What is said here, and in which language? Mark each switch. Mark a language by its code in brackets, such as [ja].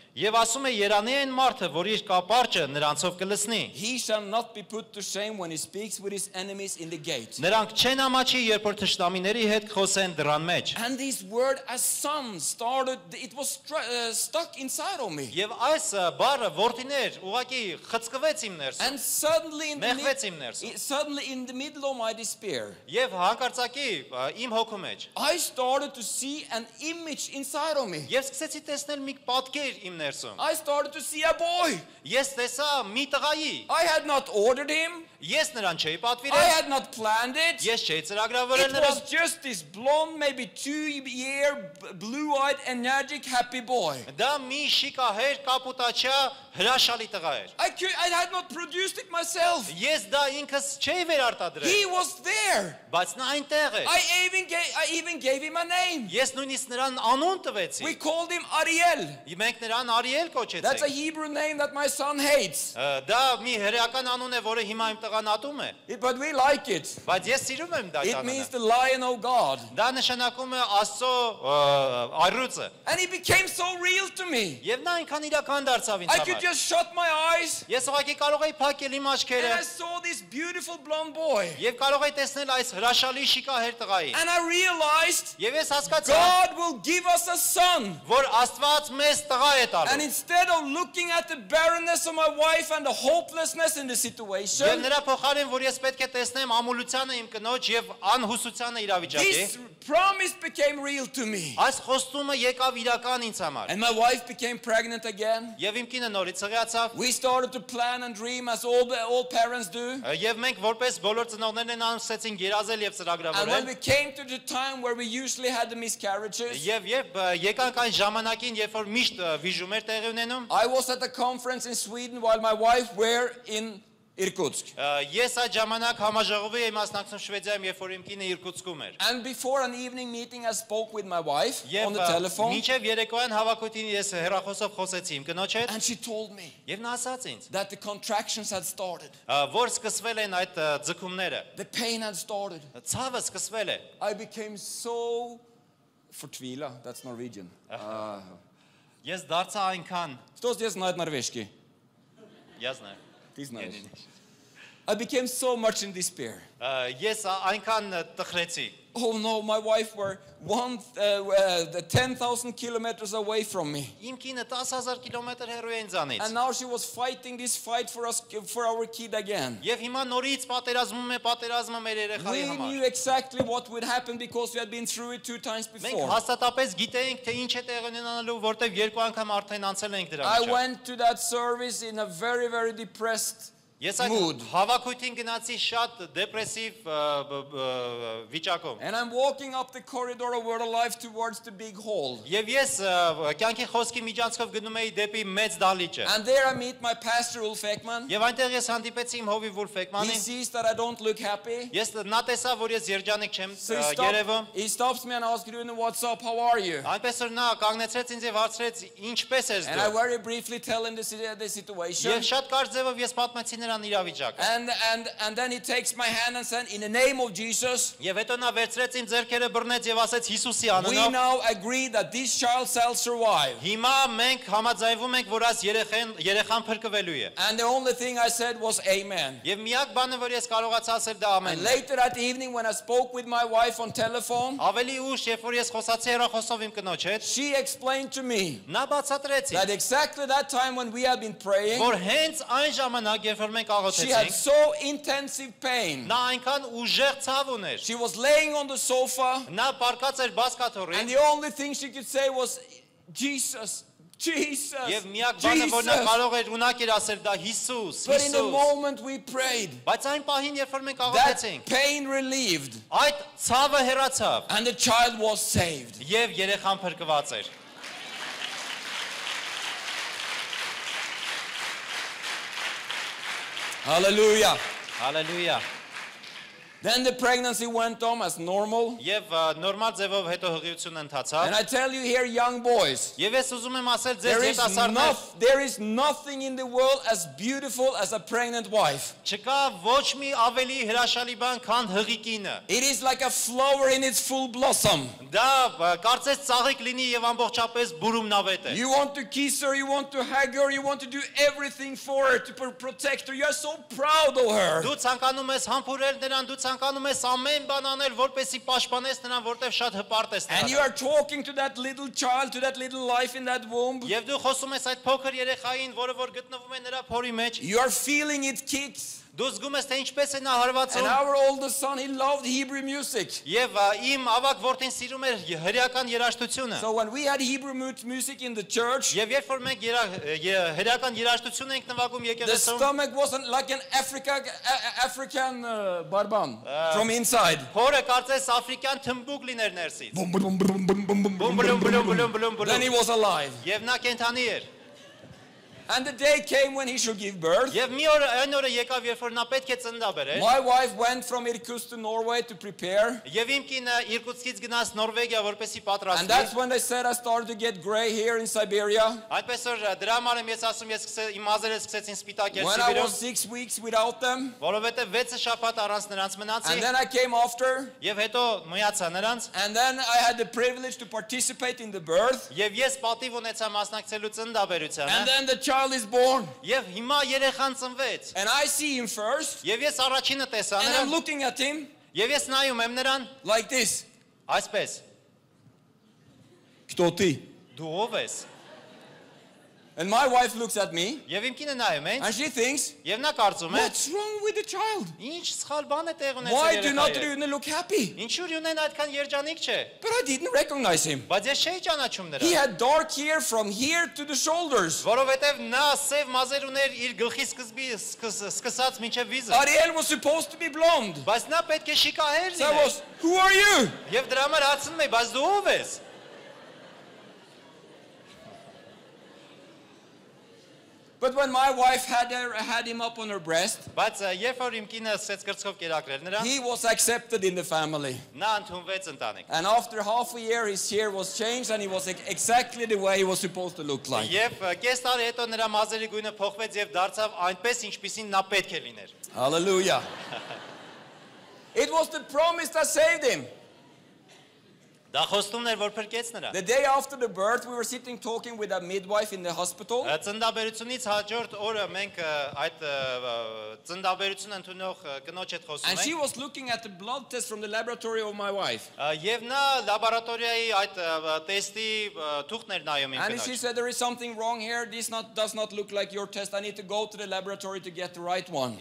[en] He shall not be put to shame when he speaks with his enemies in the gate. And this word as son started, it was stuck inside of me. And And suddenly in the middle of my despair, [hy] եւ հանկարծակի իմ հոգու մեջ, [en] I started to see an image inside of me. [hy] Ես սկսեցի տեսնել մի պատկեր իմ ներսում. [en] I started to see a boy. [hy] Ես տեսա մի տղայի. [en] I had not ordered him. [hy] Ես նրան չէի պատվիրել. [en] I had not planned it. [hy] Ես չէի ծրագրավորել նրան. [en] It was just this blonde, maybe 2 year, blue-eyed, energetic, happy boy. [hy] Դա մի շիկահեր կապուտաչա հրաշալի տղա էր. [en] I had not produced it myself. [hy] Ես դա ինքս չէի վերարտադրել. [en] He was there. [hy] Բայց նա այնտեղ էր. [en] I even gave him a name. [hy] Ես նույնիսկ նրան անուն տվեցի. [en] We called him Ariel. [hy] Մենք նրան Արիել կոչեցինք. [en] That's a Hebrew name that my son hates. [hy] Դա մի հրեական անուն է, որը հիմա տղանատում է. [en] But we like it. [hy] Բայց ես սիրում եմ դա անունը. [en] It means the lion of God. [hy] Դա նշանակում է Աստծո առյուծը. [en] And he became so real to me. [hy] Եվ նա այնքան իրական դարձավ ինձ համար. [en] I could just shut my eyes. [hy] Ես ուղղակի կարող էի փակել իմ աչքերը. [en] And I saw this beautiful blonde boy. [hy] Եվ կարող էի տեսնել այս հրաշալի շիկահեր տղային. [en] And I realized. [hy] Եվ ես հասկացա. [en] God will give us a son. [hy] Որ Աստված մեզ տղա է տալու. [en] And instead of looking at the barrenness of my wife and the hopelessness in the situation, [hy] նրա փոխարեն որ ես պետք է տեսնեմ ամուլությանը իմ կնոջ եւ անհուսությանը իրավիճակի, [en] this promise became real to me. [hy] Այս խոստումը եկավ իրական ինձ համար. [en] And my wife became pregnant again. [hy] Եվ իմ կինը նորից հղիացավ. [en] We started to plan and dream as all parents do. [hy] Եվ մենք որպես բոլոր ծնողներն են անցեցին գերազել եւ ծրագրավորել. [en] And when we came to the time where we usually had the miscarriages. [hy] Եվ եկանք այն ժամանակին, երբ որ միշտ վիժում էր տեղի ունենում. [en] I was at a conference in Sweden while my wife were in Իրկուտսկ. [hy] Ես այդ ժամանակ համաժողովի էի մասնակցում Շվեդիայում, երբ որ իմ կինը Իրկուտսկում էր. [en] And before an evening meeting I spoke with my wife on the telephone. [hy] Եվ մինչև երեկոյան հավաքույթին ես հեռախոսով խոսեցի իմ կնոջ հետ. [en] And she told me. [hy] Եվ նա ասաց ինձ. [en] That the contractions had started. [hy] Որ սկսվել են այդ ձգումները. [en] The pain had started. [hy] Ցավը սկսվել է. [en] I became so fortvila, that's Norwegian. [hy] Ես դարձա այնքան. Ստոս ես նայդ նորվեժկի. [ru] Я знаю. Ты знаешь. [en] I became so much in despair. Yes, I can [hy] տխրեցի. [en] Oh no, my wife were 10,000 kilometers away from me. [hy] Իմ կինը 10,000 կիլոմետր հեռու է ինձանից. [en] And now she was fighting this fight for us, for our kid again. [hy] Եվ հիմա նորից պատերազմում է պատերազմը մեր երեխայի համար. [en] We knew exactly what would happen because we had been through it 2 times before. [hy] Մենք հաստատապես գիտեինք, թե ինչ է տեղ ունենալու, որտեվ երկու անգամ արդեն անցել ենք դրա միջով. [en] I went to that service in a very, very depressed mood. [hy] Ես այդ հավաքույթին գնացի շատ դեպրեսիվ վիճակում։ [en] And I'm walking up the corridor of World Life towards the big hall. [hy] Եվ ես կյանքի խոսքի միջանցով գնում էի դեպի մեծ դահլիճը։ [en] And there I meet my pastor Ulf Ekman. [hy] Եվ այնտեղ ես հանդիպեցի իմ հովիվ Ulf Ekman-ին։ [en] He sees that I don't look happy. [hy] Ես նա տեսա, որ ես երջանիկ չեմ երևում։ [en] He stops me and asks me, "What's up? How are you?" [hy] Այնպես որ նա կանգնեցրեց ինձ եւ հարցրեց, "Ինչպե՞ս ես դու?" [en] And I very briefly tell him the situation. [hy] Եվ շատ կարճ ձևով ես պատմեցի նրան իրավիճակը. [en] And then he takes my hand and said, "In the name of Jesus." [hy] Եվ հետո նա վերցրեց իմ ձեռքերը, բռնեց եւ ասաց Հիսուսի անունով. [en] We now agree that this child shall survive. [hy] Հիմա մենք համաձայնվում ենք, որ այս երեխան փրկվելու է. [en] And the only thing I said was amen. [hy] Եվ միակ բանը, որ ես կարողացա ասել, դա ամենն է. [en] And later that evening when I spoke with my wife on telephone, [hy] ավելի ուշ, երբ որ ես խոսացի հեռախոսով իմ կնոջ հետ, [en] she explained to me. [hy] Նա բացատրեց ինձ. [en] That exactly that time when we had been praying, [hy] որ հենց այն ժամանակ, երբ որ [en] She had so intensive pain. [hy] Նա այնքան ուժեղ ցավ ուներ. [en] She was laying on the sofa. [hy] Նա պառկած էր բազկաթոռին. [en] And the only thing she could say was Jesus. Jesus. [hy] Եվ միակ բանը, որ նա կարող էր ունակեր ասել, դա Հիսուս, Հիսուս. [en] But in the moment we prayed. [hy] Բայց այն պահին, երբ որ մենք աղոթեցինք, [en] that pain relieved. [hy] Այդ ցավը հեռացավ. [en] And the child was saved. [hy] Եվ երեխան փրկված էր. [en] Hallelujah. Hallelujah. Then the pregnancy went on as normal. [hy] Եվ նորմալ ձևով հետո հղիությունը ընթացավ. [en] And I tell you here young boys. [hy] Եվ ես ուզում եմ ասել ձեզ երիտասարդներ. [en] There is nothing in the world as beautiful as a pregnant wife. [hy] Չկա ոչ մի ավելի հրաշալի բան, քան հղիկինը. [en] It is like a flower in its full blossom. [hy] Դա կարծես ծաղիկ լինի եւ ամբողջապես բուրումնավետ է. [en] You want to kiss her, you want to hug her, you want to do everything for her to protect her. You are so proud of her. [hy] Դու ցանկանում ես համբուրել նրան, դու ցանկանում ես ամեն բան անել, որպեսզի պաշտպանես նրան, որտեվ շատ հպարտ ես նրան։ [en] And you are talking to that little child, to that little life in that womb. [hy] Եվ դու խոսում ես այդ փոքր երեխային, որը որ գտնվում է նրա փորի մեջ։ [en] You are feeling its kicks. [hy] Դու զգում ես թե ինչպես է նա հարվածում։ [en] And our oldest son, he loved Hebrew music. [hy] Եվ իմ ավակ որդին սիրում էր հրեական երաժշտությունը։ [en] So when we had Hebrew music in the church, [hy] Եվ երբ որ մենք հրեական երաժշտություն էինք նվագում եկեղեցում, [en] The stomach wasn't like an African barban from inside. [hy] Հորը կարծես աֆրիկյան թմբուկ լիներ ներսից։ Բում բում բում բում բում բում բում բում բում բում բում բում [en] Then he was alive. [hy] Եվ նա կենթանի էր։ [en] And the day came when he should give birth. [hy] Եվ մի օր այն օրը եկավ, երբ որ նա պետք է ծնդա բերեր։ [en] My wife went from Irkutsk to Norway to prepare. [hy] Եվ իմ կինը Իրկուտսկից գնաց Նորվեգիա, որպեսզի պատրաստվի։ [en] And that's when they said I started to get gray here in Siberia. [hy] Այդպես որ դրա համար եմ ես ասում, ես սկսեցի իմ ազերը սկսեցին սպիտակել Սիբիրում։ [en] When I was 6 weeks without them. [hy] Որովհետև 6 շաբաթ առանց նրանց մնացի։ [en] And then I came after. [hy] Եվ հետո մյացա նրանց։ [en] And then I had the privilege to participate in the birth. [hy] Եվ ես պատիվ ունեցա մասնակցելու ծննդաբերությանը։ [en] And then the child is born. [hy] Եվ հիմա երեխան ծնվեց. [en] And I see him first. [hy] Եվ ես առաջինը տեսա նրան. [en] And I'm looking at him. [hy] Եվ ես նայում եմ նրան. [en] Like this. [hy] Այսպես. [ru] Кто ты? [hy] Դու ով ես? [en] And my wife looks at me. [hy] Եվ իմ կինը նայում է ինձ. [en] And she thinks. [hy] Եվ նա կարծում է. [en] What's wrong with the child? [hy] Ինչ սխալ բան է տեղ ունեցել երեխայի։ [en] Why do not you look happy? [hy] Ինչու՞ Ռյունեն այդքան երջանիկ չէ։ [en] But I didn't recognize him. [hy] Բայց ես չէի ճանաչում նրան։ [en] He had dark hair from here to the shoulders. [hy] Որովհետև նա սև մազեր ուներ իր գլխի սկզբի սկսած մինչև վիզը։ [en] Ariel was supposed to be blonde. [hy] Բայց նա պետք է շիկահեր լիներ։ [en] So was, who are you? [hy] Եվ դրա համար հարցնում է, բայց դու ո՞վ ես։ [en] But when my wife had him up on her breast, [hy] բայց երբ որ իմ կինը սկսեց կրծքով կերակրել նրան, [en] he was accepted in the family. [hy] Նա ընդունվեց ընտանիքը։ [en] And after half a year his hair was changed and he was exactly the way he was supposed to look like. [hy] Եվ կես տարի հետո նրա մազերի գույնը փոխվեց եւ դարձավ այնպես, ինչպեսին նա պետք է լիներ։ [en] Hallelujah. It was the promise that saved him. [hy] Դա խոստումն էր, որ փրկեց նրա։ [en] The day after the birth we were sitting talking with a midwife in the hospital. [hy] Ծննդաբերությունից հաջորդ օրը մենք այդ ծննդաբերությունը ընդունող կնոջ հետ խոսում ենք։ [en] And she was looking at the blood test from the laboratory of my wife. [hy] Եվ նա լաբորատորիայի այդ տեստի թուղթներ նայում իմ կնոջ։ [en] And she said there is something wrong here. This does not look like your test. I need to go to the laboratory to get the right one.